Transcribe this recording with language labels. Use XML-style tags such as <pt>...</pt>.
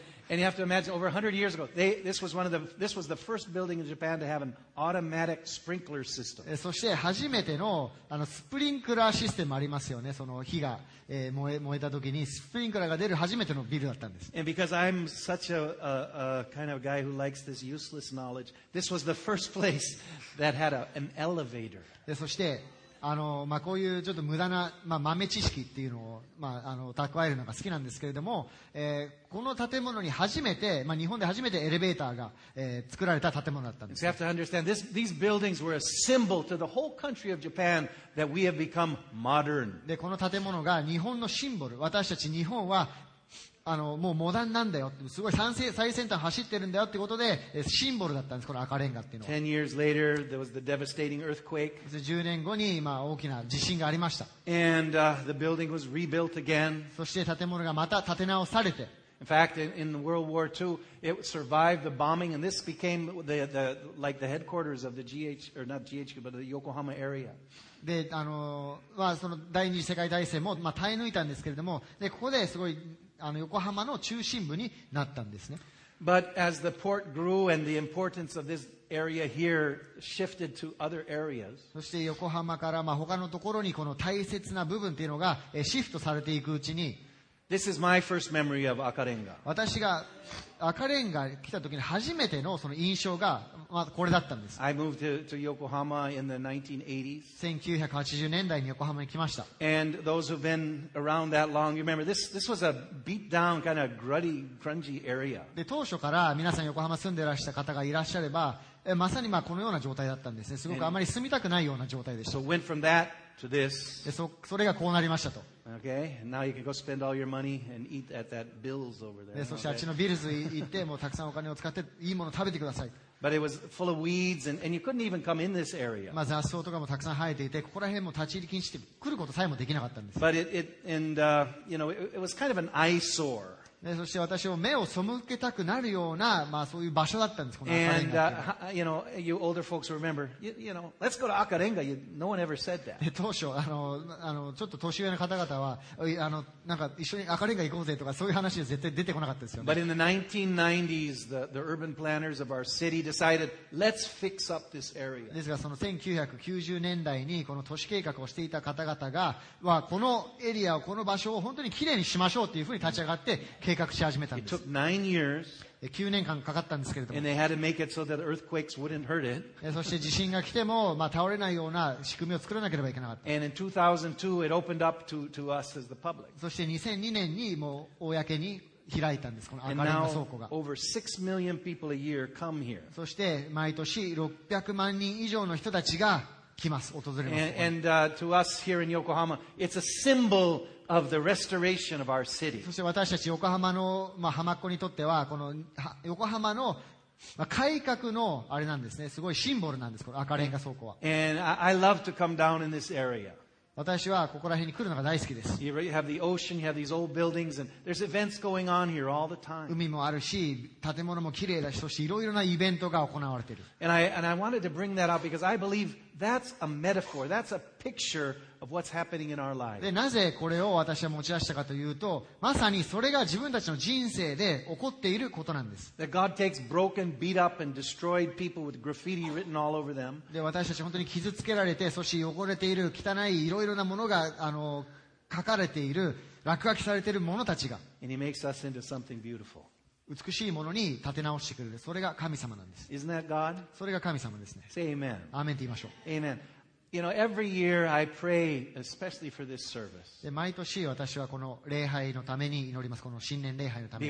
<en>And you have to imagine, over 100 years ago, this was the first building in Japan to have an automatic sprinkler system.</en> <ja>そして初めてのあのスプリンクラーシステムありますよね。その火が燃えた時にスプリンクラーが出る初めてのビルだったんです。</ja> <en>And because I'm such a kind of guy who likes this useless knowledge, this was the first place that had an elevator.</en> <ja>そしてまあ、こういうちょっと無駄な、まあ、豆知識っていうのを、まあ、蓄えるのが好きなんですけれども、この建物に初めて、まあ、日本で初めてエレベーターが、作られた建物だったんです。</ja> <en>You have to understand, these buildings were a symbol to the whole country of Japan that we have become modern.</en> <ja>でこの建物が日本のシンボル、私たち日本はもうモダンなんだよ、すごい最先端走ってるんだよってことでシンボルだったんです、この赤レンガっていうのは。</ja> <en>10 years later, there was the devastating earthquake.</en> <ja>10年後に、まあ、大きな地震がありました。</ja> <en>And, the building was rebuilt again.</en> <ja>そして建物がまた建て直されて、</ja> <en>In fact, in World War II, it survived the bombing, and this became the like the headquarters of the GH, or not GH, but the Yokohama area.</en> <ja>で、まあ、その第二次世界大戦も、まあ、耐え抜いたんですけれども、で、ここですごい、横浜の中心部になったんですね。</ja> <en>But as the port grew and the importance of this area here shifted to other areas,</en> <ja>そして横浜から、まあ、他のところにこの大切な部分っていうのが、シフトされていくうちに、</ja> <en>This is my first memory of Akarenga.</en> <ja>私が赤レンガ来た時に初めてのその印象が、まあ、これだったんです。</ja> <en>I moved to Yokohama in the 1980s.</en> <ja>1980年代に横浜に来ました。</ja> <en>And those who've been around that long, you remember this was a beat down kind of gruddy, grungy area.</en> <ja>で当初から皆さん横浜住んでらした方がいらっしゃれば、まさにまあこのような状態だったんですね。すごくあまり住みたくないような状態でした。</ja> <en>And, so went from that. To this.</en> <ja>それがこうなりましたと。</ja> <en>Okay. Now you can go spend all your money and eat at that Bill's over there.</en> <ja>そしてあっちのビルズ行って、もうたくさんお金を使っていいものを食べてください。</ja> <en>But it was full of weeds, and you couldn't even come in this area.</en> <ja>まあ、雑草とかもたくさん生えていて、ここら辺も立ち入り禁止で来ることさえもできなかったんです。</ja> <en>But it was kind of an eyesore.</en> <ja>ね、そして私も目を背けたくなるような、まあ、そういう場所だったんです。この</ja> <en>And、you know, you older folks remember, you know, let's go to Acarenga. No one ever said that.</en> <ja>当初あのちょっと年上の方々はなんか一緒に Acarenga 行こうぜとかそういう話は絶対出てこなかったですよね。</ja> <en>But in the 1990s, the urban planners of our city decided, let's fix up this area.</en> <ja>ですがその1990年代にこの都市計画をしていた方々が、まあ、このエリアをこの場所を本当にきれいにしましょうというふうに立ち上がって。計画し始めたんです。</ja> <en>It took 9 years,</en> <ja>9年間かかったんですけれども。</ja> <en>And they had to make it so that earthquakes wouldn't hurt it.</en> <ja>そして地震が来ても、まあ、倒れないような仕組みを作らなければいけなかった。</ja> <en>And in 2002, it opened up to us as the public.</en> <ja>そして2002年にもう公に開いたんです。この赤レンガ倉庫が。</ja> <en>And now over 6 million people a year come here.</en> <ja>そして毎年600万人以上の人たちが来ます。訪れます。</ja> <en>And to us here in Yokohama, it's a symbol. Of the restoration of our city.</en> <ja>そして私たち横浜の、まあ、浜っ子にとってはこの横浜の、まあ、改革のあれなんですね。すごいシンボルなんです。この赤レンガ倉庫は。</ja> <en>And I love to come down in this area.</en> <ja>私はここら辺に来るのが大好きです。</ja> <en>You have the ocean, you have these old buildings, and there's events going on here all the time.</en> <ja>海もあるし、建物も綺麗だし、そしていろいろなイベントが行われている。</ja> <en>And I wanted to bring that out because I believe that's a metaphor. That's a picture. Of what's happening in our lives.</en> <ja>でなぜこれを私は持ち出したかというと、まさにそれが自分たちの人生で起こっていることなんです。</ja> <en>That God takes broken, beat up, and destroyed people with graffiti written all over them.</en> <ja>で私たち本当に傷つけられて、そして汚れている汚いいろいろなものが書かれている落書きされているものたちが。</ja> <en>And He makes us into something beautiful.</en> <ja>美しいものに立て直してくれる。それが神様なんです。</ja> <en>Isn't that God?</en> <ja>それが神様ですね。</ja> <en>Say Amen.</en> <ja>アーメンと言いましょう。</ja> <en>Amen. You know, every year I pray, especially for this service.</en> <ja>毎年私はこの礼拝のために祈ります。この新年礼拝のために。</ja>